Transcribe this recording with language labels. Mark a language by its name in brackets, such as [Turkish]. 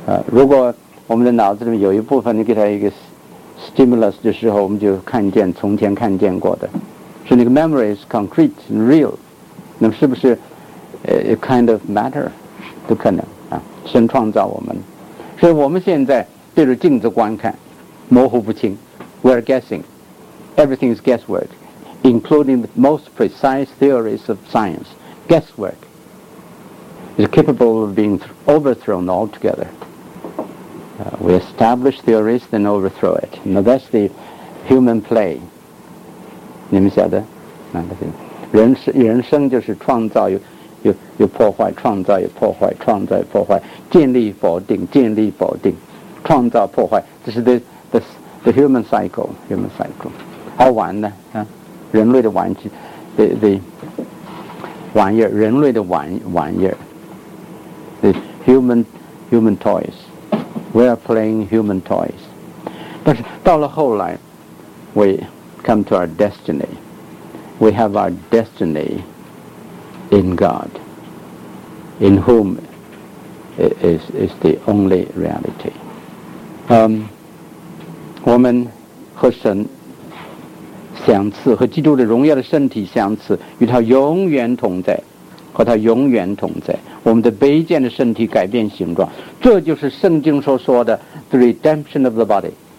[Chinese] 如果我们的脑子里面有一部分你给它一个 stimulus 的时候，我们就看见从前看见过的。 [English] So the memory is concrete and real. [Chinese] 那么是不是 [English] a kind of matter? [Chinese] 不可能啊，神创造我们。所以我们现在对着镜子观看，模糊不清。 [English] We are guessing. Everything is guesswork, including the most precise theories of science. Guesswork is capable of being overthrown altogether. We establish theories, then overthrow it. Now that's the human play. [Chinese] 你们晓得，人生就是创造有破坏，创造有破坏，创造有破坏，建立否定，建立否定，创造破坏，这是 [English] the human cycle，human cycle， [Chinese] 好玩呢啊，人类的玩具 ，the 玩意儿，人类的玩意儿 ， [English] the human toys，we are playing human toys， [Chinese] 但是到了后来 ，we。 [English] Come to our destiny. We have our destiny in God, in whom is the only reality. [Chinese] 我们和神相似，和基督的荣耀的身体相似，与他永远同在。和他永远同在，我们的卑贱的身体改变形状，这就是圣经所说的 [English] the redemption of the body。